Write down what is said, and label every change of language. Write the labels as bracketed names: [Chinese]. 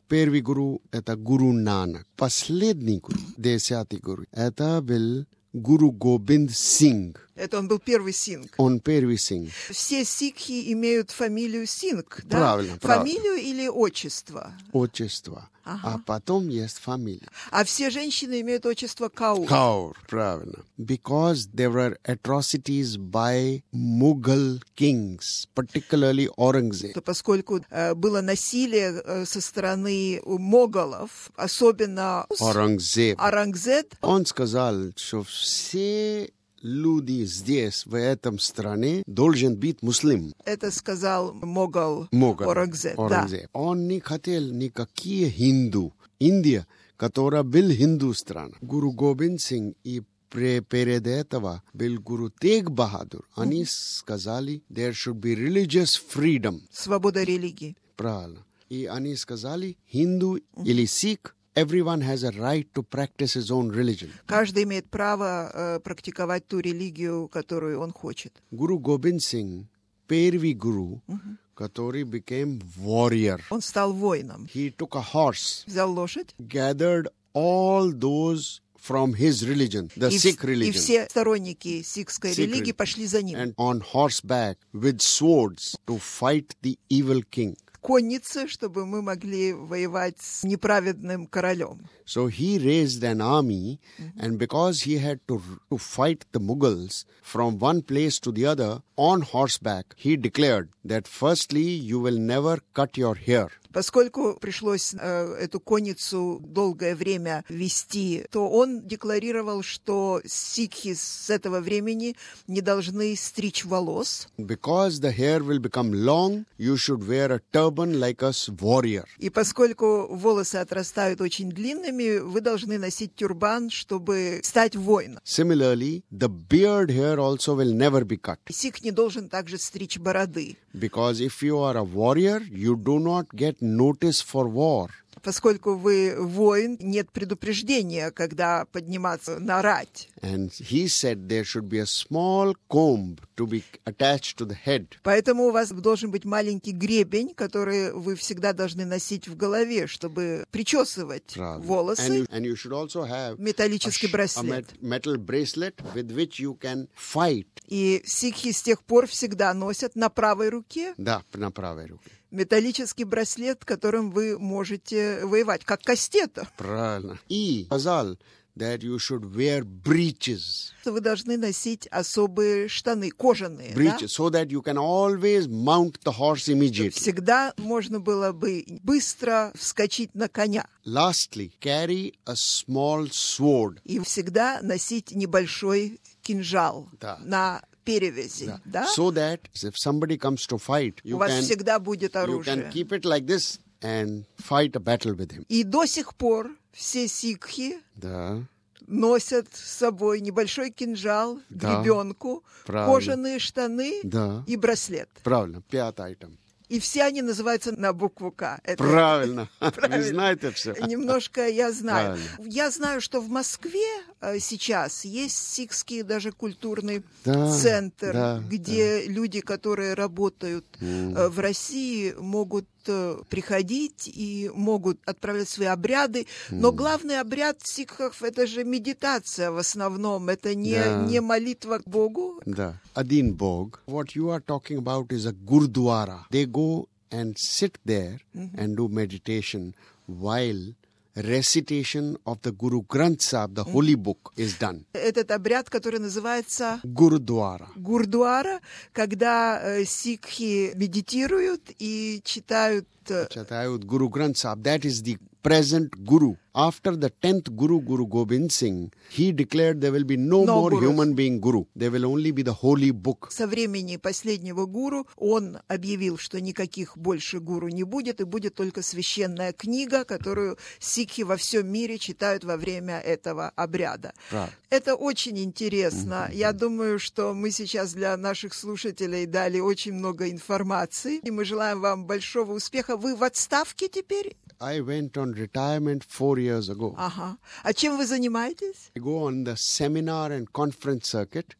[Russian] Первый гуру — это гуру Нанак. Последний гуру, 10-й гуру, это был гуру Гобинд Сингх. Это он был первый Синг. Он первый Синг. Все сикхи имеют фамилию Синг, да? Правильно, фамилию или отчество? Отчество. Ага. А потом есть фамилия. А все женщины имеют отчество Каур. Каур, правильно. [English] Because there were atrocities by Mughal kings, particularly Aurangzeb. [Russian] То поскольку было насилие со стороны моголов, особенно [English] Aurangzeb. Aurangzeb. [Russian] Он сказал, что все люди здесь, в этом стране, должен быть муслим. Это сказал могол Aurangzeb. Да. Он не хотел никакие хинду. Индия, которая была хинду страна. Гуру Гобинд Сингх и перед этого был Гуру Тег Бахадур. Они сказали, [English] there should be religious freedom. [Russian] Свобода религии. Правильно. И они сказали, хинду или сикх, [English] everyone has a right to practice his own religion. [Russian] Каждый имеет право практиковать ту религию, которую он хочет. Гуру Гобинд Сингх, первый гуру, который [English] became warrior. [Russian] Он стал воином. [English] He took a horse. [Russian] Взял лошадь. [English] Gathered all those from his religion, the Sikh religion. [Russian] И все сторонники сикхской религии пошли за ним. [English] And on horseback with swords to fight the evil king. [Russian] Конница, чтобы мы могли воевать с неправедным королем. [English] So he raised an army, and because he had to fight the Mughals from one place to the other on horseback, he declared that firstly you will never cut your hair. [Russian] Поскольку пришлось эту конницу долгое время вести, то он декларировал, что сикхи с этого времени не должны стричь волос. [English] Because the hair will become long, you should wear a turban like a warrior. [Russian] И поскольку волосы отрастают очень длинными, вы должны носить тюрбан, чтобы стать воином. [English] Similarly, the beard hair also will never be cut. [Russian] Сикх не должен также стричь бороды. [English] Because if you are a warrior, you do not get notice for war. [Russian] Поскольку вы воин, нет предупреждения, когда подниматься на рать. [English] And he said there should be a small comb to be attached to the head. [Russian] Поэтому у вас должен быть маленький гребень, который вы всегда должны носить в голове, чтобы причесывать волосы. [English] And you should also have [Russian] металлический браслет. [English] Metal bracelet with which you can fight. [Russian] И сикхи с тех пор всегда носят на правой руке. Да, на правой руке. Металлический браслет, которым вы можете воевать, как кастета. Правильно. И сказал, [English] that you should wear breeches. [Russian] Вы должны носить особые штаны, кожаные. [English] Breeches, [Russian] да? [English] So that you can always mount the horse immediately. [Russian] Всегда можно было бы быстро вскочить на коня. [English] Lastly, carry a small sword. [Russian] И всегда носить небольшой кинжал на перевязи, да? [English] So that if somebody comes to fight, [Russian] у вас всегда будет оружие. [English] You can keep it like this and fight a battle with him. [Russian] И до сих пор все сикхи да. носят с собой небольшой кинжал, да. гребенку, правильно. Кожаные штаны да. и браслет. Правильно, пятый item. И все они называются на букву «К». Это правильно. Вы знаете все. Немножко я знаю. Правильно. Я знаю, что в Москве сейчас есть сикхский даже культурный да, центр, да, где да. люди, которые работают в России, могут приходить и могут отправлять свои обряды. Но главный обряд сикхов – это же медитация в основном. Это не, да. не молитва к Богу. Да. Один Бог. [English] What you are talking about is a gurdwara. They go and sit there and do meditation while recitation of the Guru Granth Sahib, the holy book, is done. [Russian] Этот обряд, который называется Гурдуара. Гурдуара, когда сикхи медитируют и читают. Читают [English] Guru Granth Sahib. That is the present Guru. After the 10th Guru, Guru Gobind Singh, he declared there will be no more human being Guru. There will only be the holy book. [Russian] Со времени последнего Гуру он объявил, что никаких больше Гуру не будет, и будет только священная книга, которую сикхи во всем мире читают во время этого обряда. [English] Right. [Russian] Это очень интересно. Mm-hmm. Я думаю, что мы сейчас для наших слушателей дали очень много информации. И мы желаем вам большого успеха. Вы в отставке теперь? [English] I went on retirement 4 years ago. [Russian] Ага. А чем вы занимаетесь? [English] I go on the seminar and conference circuit.